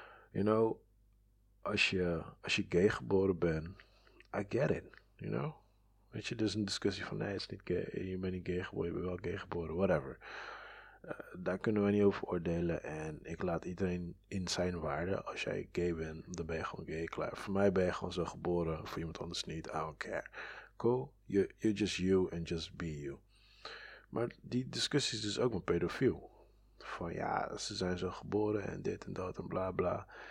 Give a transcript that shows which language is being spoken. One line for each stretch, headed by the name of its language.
English: You know,
Dutch: als je gay geboren bent,
English: I get it, you know.
Dutch: Weet je, dus een discussie van, nee, het is niet gay, je bent niet gay geboren, je bent wel gay geboren, whatever. Daar kunnen we niet over oordelen en ik laat iedereen in zijn waarde. Als jij gay bent, dan ben je gewoon gay, klaar. Voor mij ben je gewoon zo geboren, voor iemand anders niet,
English: I don't care. Cool, you're just you and just be you.
Dutch: Maar die discussie is dus ook met pedofiel. Van ja, ze zijn zo geboren en dit en dat en bla bla.